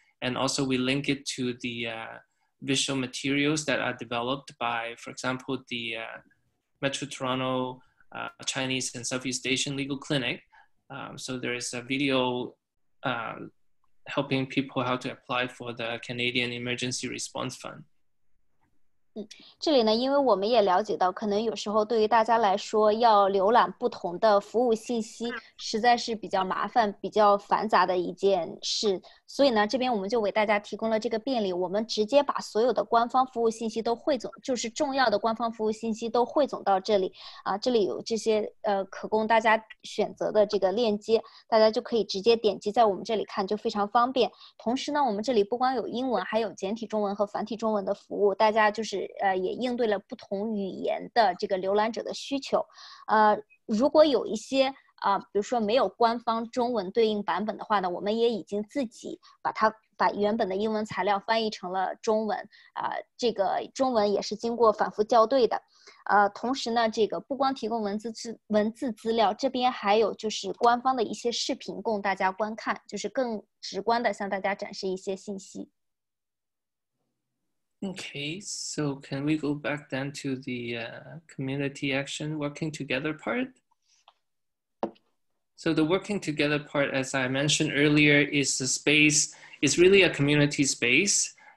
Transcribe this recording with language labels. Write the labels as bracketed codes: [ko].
[en] And also we link it to the visual materials that are developed by, for example, the Metro Toronto Chinese and Southeast Asian Legal Clinic. So there is a video helping people how to apply for the Canadian Emergency Response Fund. [zh] 这里呢，因为我们也了解到，可能有时候对于大家来说，要浏览不同的服务信息，实在是比较麻烦、比较繁杂的一件事。所以呢，这边我们就为大家提供了这个便利，我们直接把所有的官方服务信息都汇总，就是重要的官方服务信息都汇总到这里。这里有这些可供大家选择的这个链接，大家就可以直接点击在我们这里看，就非常方便。同时呢，我们这里不光有英文，还有简体中文和繁体中文的服务，大家就是也应对了不同语言的这个浏览者的需求。如果有一些比如说没有官方中文对应版本的话呢，我们也已经自己把原本的英文材料翻译成了中文，这个中文也是经过反复校对的。同时呢，这个不光提供文字资料，这边还有就是官方的一些视频供大家观看，就是更直观的向大家展示一些信息。 [en] Okay, so can we go back then to the community action working together part? So the working together part, as I mentioned earlier, is a space, is really a community space.